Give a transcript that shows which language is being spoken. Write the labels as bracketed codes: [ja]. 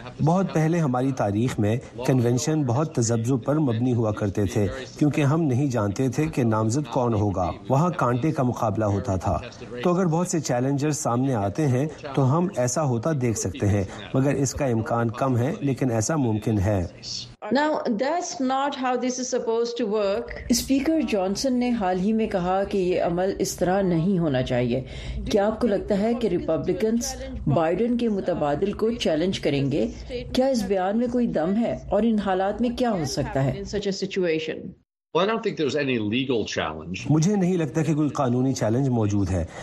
[ur] بہت پہلے ہماری تاریخ میں کنونشن بہت تذبذب پر مبنی ہوا کرتے تھے کیونکہ ہم نہیں جانتے تھے کہ نامزد کون ہوگا. وہاں کانٹے کا مقابلہ ہوتا تھا. تو اگر بہت سے چیلنجر سامنے آتے ہیں تو ہم ایسا ہوتا دیکھ سکتے ہیں, مگر اس کا امکان کم ہے, لیکن ایسا ممکن ہے. [en] Now, that's not how this is supposed to work. [ur] Speaker Johnson نے حال ہی میں کہا کہ یہ عمل اس طرح نہیں ہونا چاہیے. کیا آپ کو لگتا ہے کہ ریپبلکنز بائیڈن کے متبادل کو چیلنج کریں گے؟ کیا اس بیان میں کوئی دم ہے, اور ان حالات میں کیا ہو سکتا ہے؟ مجھے نہیں لگتا کہ کوئی قانونی چیلنج موجود ہے.